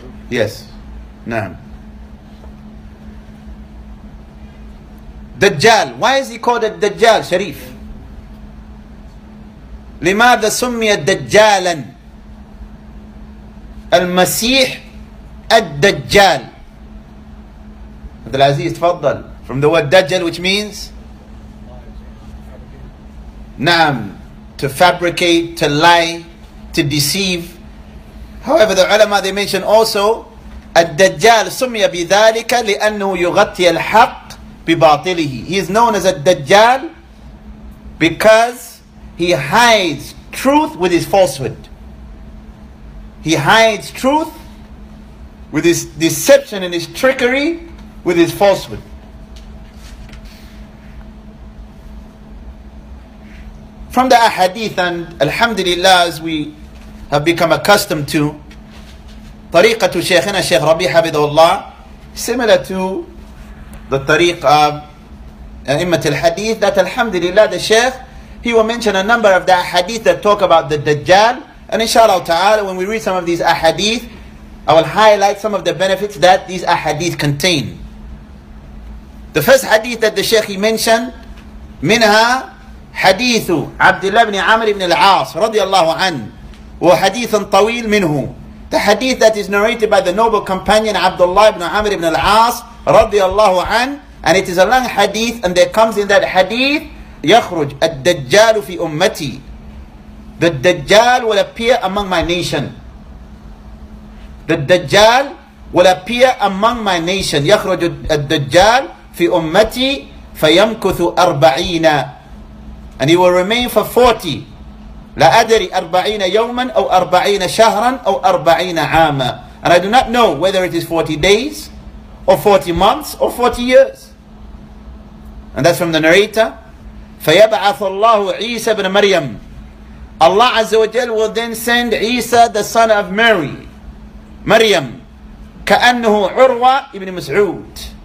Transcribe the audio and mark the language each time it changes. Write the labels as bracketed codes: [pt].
[en] Yes, na'am. Dajjal. Why is he called a Dajjal, Sharif? [ar] لماذا سمي دجالا؟ المسيح الدجال. عبد العزيز تفضل. [en] From the word دجل which means نعم to fabricate, to lie, to deceive. However, the ulama they mention also [ar] الدجال سمي بذلك لأنه يغطي الحق بباطله. [en] He is known as الدجال because he hides truth with his falsehood. He hides truth with his deception and his trickery with his falsehood. From the ahadith, and alhamdulillah, as we have become accustomed to, tariqah to Shaykhina Shaykh Rabi Habidullah, similar to the tariqah of Imat al-Hadith, that alhamdulillah, the Shaykh, he will mention a number of the ahadith that talk about the Dajjal, and inshallah ta'ala, when we read some of these ahadith, I will highlight some of the benefits that these ahadith contain. The first hadith that the Shaykh he mentioned, [ar] منها حديث عبد الله بن عامر بن العاص رضي الله عنه وحديث طويل منه. [en] The hadith that is narrated by the noble companion Abdullah ibn Amr ibn al-As رضي الله عنه, and it is a long hadith, and there comes in that hadith [ar] يخرج الدجال في أمتي. [en] The Dajjal will appear among my nation. The Dajjal will appear among my nation. [ar] يخرج الدجال في أمتي فيمكث أربعين. [en] And he will remain for 40. [ar] لا أدري أربعين يوما أو أربعين شهرا أو أربعين عاما. [en] And I do not know whether it is 40 days or 40 months or 40 years. And that's from the narrator. [ar] فيبعث الله عيسى بن مريم. [en] Allah Azza wa Jal will then send Isa, the son of Mary, Maryam, [ar] كأنه عروة ابن مسعود.